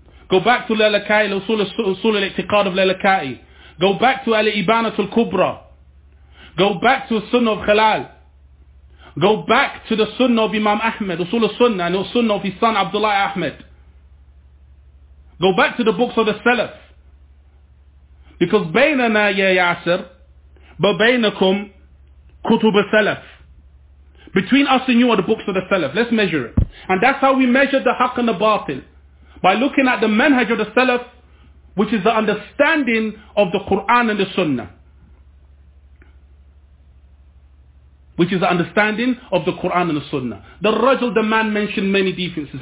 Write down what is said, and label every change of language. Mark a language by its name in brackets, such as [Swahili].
[English] Go back to Lailaka'i, Usul al-Iqtiqad of Lailaka'i. Go back to Al-Ibanat al-Kubra. Go back to the Sunnah of Khalal. Go back to the Sunnah of Imam Ahmed, Usul al-Sunnah, and the Sunnah of his son Abdullah Ahmed. Go back to the books of the Salaf. Because [Arabic] بيننا يا ياسر وبينكم كتب السلف. [English] Between us and you are the books of the Salaf. Let's measure it. And that's how we measure the haqq and the batil. By looking at the manhaj of the Salaf, which is the understanding of the Quran and the Sunnah. Which is the understanding of the Quran and the Sunnah. The rajul, the man, mentioned many defenses.